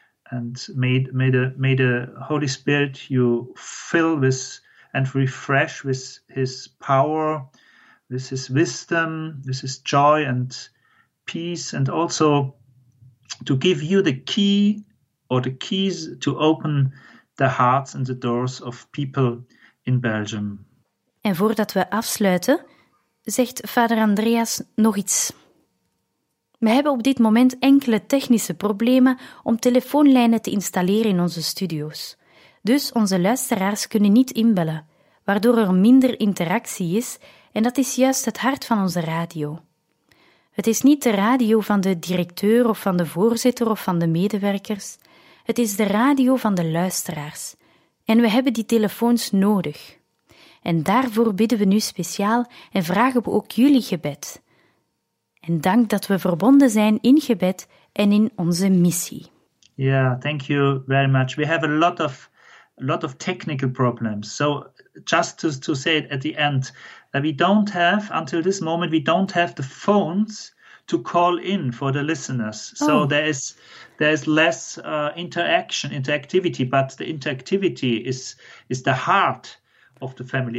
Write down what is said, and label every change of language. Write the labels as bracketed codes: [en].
[en] and may the Holy Spirit you fill with and refresh with his power, with his wisdom, with his joy and peace, and also to give you the key or the keys to open the hearts and the doors of people in Belgium. [nl] En voordat we afsluiten, zegt vader Andreas nog iets. We hebben op dit moment enkele technische problemen om telefoonlijnen te installeren in onze studio's. Dus onze luisteraars kunnen niet inbellen, waardoor er minder interactie is en dat is juist het hart van onze radio. Het is niet de radio van de directeur of van de voorzitter of van de medewerkers. Het is de radio van de luisteraars. En we hebben die telefoons nodig. En daarvoor bidden we nu speciaal en vragen we ook jullie gebed. En dank dat we verbonden zijn in gebed en in onze missie. [en] Ja, thank you very much. We have a lot of technical problems. So just to say it at the end, we don't have, until this moment, we don't have the phones to call in for the listeners. Oh. So there is less interactivity, but the interactivity is the heart of the family.